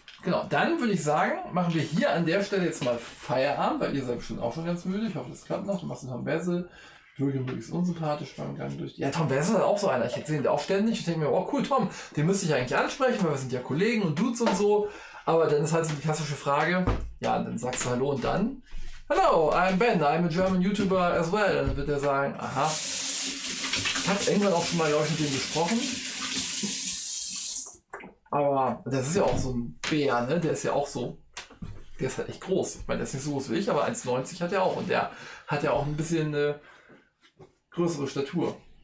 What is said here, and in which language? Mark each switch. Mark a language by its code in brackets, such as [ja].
[de] Genau, dann würde ich sagen, machen wir hier an der Stelle jetzt mal Feierabend, weil ihr seid bestimmt auch schon ganz müde. Ich hoffe, das klappt noch. Du machst einen Tom Wessel. Jürgen ist unsympathisch beim Gang durch. Ja, Tom Wessel ist auch so einer. Ich sehe ihn auch ständig. Ich denke mir, oh cool, Tom, den müsste ich eigentlich ansprechen, weil wir sind ja Kollegen und Dudes und so. Aber dann ist halt so die klassische Frage. Ja, dann sagst du Hallo und dann. [en] Hallo, I'm Ben, I'm a German YouTuber as well. [de] Dann wird er sagen, aha. Ich habe irgendwann auch schon mal mit dem gesprochen. Aber das ist ja auch so ein Bär, ne? Der ist ja auch so, der ist halt echt groß. Ich meine, der ist nicht so groß wie ich, aber 1,90 hat er auch. Und der hat ja auch ein bisschen eine größere Statur.